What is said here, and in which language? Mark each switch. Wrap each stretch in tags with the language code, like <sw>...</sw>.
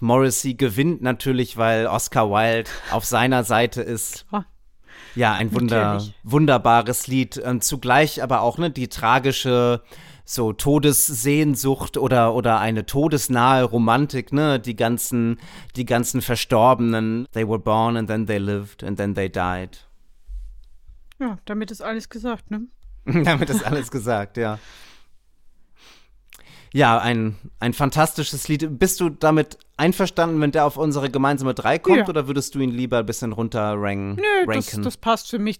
<de>Morrissey gewinnt natürlich, weil Oscar Wilde auf seiner Seite ist. Ja, ein wunderbares Lied. Und zugleich aber auch ne, die tragische so Todessehnsucht oder eine todesnahe Romantik, ne? Die ganzen Verstorbenen.</de> <en>They were born and then they lived and then they died.</en> <de>Ja, damit ist alles gesagt, ne? Damit ist alles gesagt, ja. Ja, ein fantastisches Lied. Bist du damit einverstanden, wenn der auf unsere gemeinsame 3 kommt? Ja. Oder würdest du ihn lieber ein bisschen runterranken? Nö, das passt für mich.</de>